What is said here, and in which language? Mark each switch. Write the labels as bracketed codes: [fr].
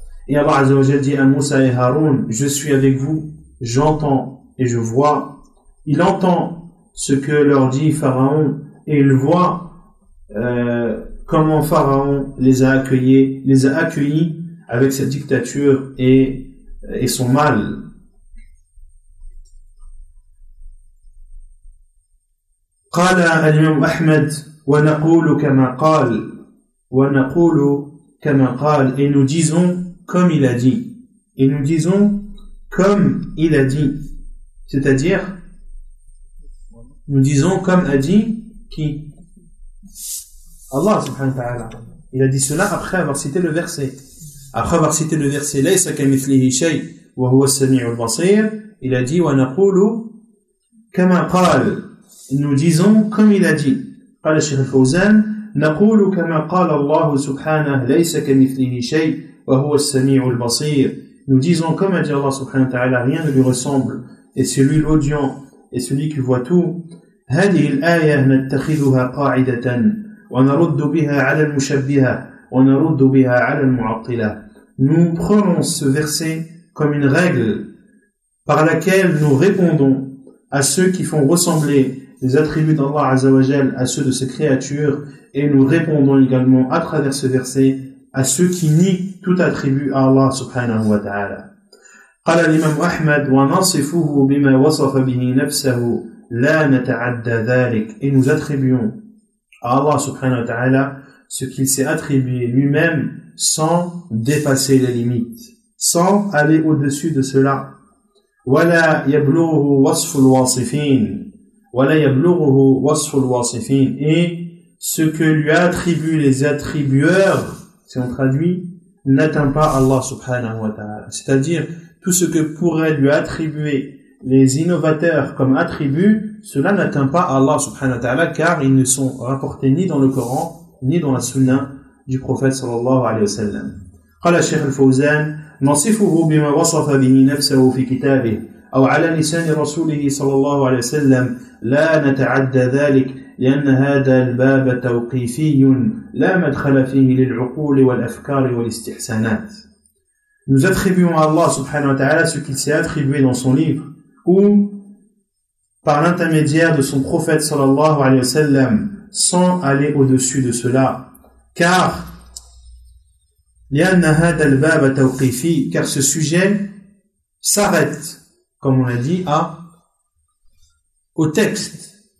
[fr] Et Allah azza wa jalla dit à Moussa et Haroun, je suis avec vous, j'entends et je vois. Il entend ce que leur dit Pharaon et il voit comment Pharaon les a accueillis avec sa dictature et son mal. [ar] قال الإمام أحمد ونقول كما قال ونقول كما قال. [fr] Et nous disons comme il a dit. Et nous disons comme il a dit, c'est-à-dire, nous disons comme a dit qui? Allah subhanahu wa ta'ala. Il a dit cela après avoir cité le verset. Après avoir cité le verset, [ar] laysa kamithlihi shay, wa huwa as-sami'ul basir, [fr] il a dit, [ar] wa naqulu kama qala. [fr] Nous disons comme il a dit. [ar] قال الشيخ الفوزان, naqulu kama qala Allah subhanahu laysa kamithlihi shay, wa huwa as-sami'ul basir. [fr] Nous disons comme a dit Allah subhanahu wa ta'ala, rien ne lui ressemble, et c'est lui l'audient, et celui qui voit tout. [ar] هذه الآية نتخذها قاعدة ونرد بها على المشبهة ونرد بها على المعطلة. [fr] Nous prenons ce verset comme une règle par laquelle nous répondons à ceux qui font ressembler les attributs d'Allah Azza wa Jal à ceux de ses créatures, et nous répondons également à travers ce verset à ceux qui nient tout attribut à Allah subhanahu wa ta'ala. [ar] قال الإمام أحمد ونصفه بما وصف به نفسه لا نتعدى ذلك. [fr] Et nous attribuons à Allah subhanahu wa ta'ala ce qu'il s'est attribué lui-même sans dépasser les limites, sans aller au-dessus de cela. [ar] ولا يبلغه وصف الواصفين ولا يبلغه وصف الواصفين. [fr] Et ce que lui attribuent les attribueurs, si on traduit, n'atteint pas Allah subhanahu wa ta'ala. C'est-à-dire, tout ce que pourraient lui attribuer les innovateurs comme attribut, cela n'atteint pas Allah subhanahu wa ta'ala, car ils ne sont rapportés ni dans le Coran, ni dans la sunna du prophète sallallahu alayhi wa sallam. [ar] قال الشيخ الفوزان, نصفه بما وصف به نفسه في كتابه, أو على لسان رسوله صلى الله عليه وسلم لا نتعدى ذلك، لأن هذا الباب توقيفي لا مدخل فيه للعقول والأفكار والاستحسانات. [fr] Nous attribuons à Allah subhanahu wa ta'ala ce qu'il s'est attribué dans son livre ou par l'intermédiaire de son prophète sallallahu alayhi wa sallam sans aller au-dessus de cela. Car ce sujet s'arrête, comme on l'a dit, au texte.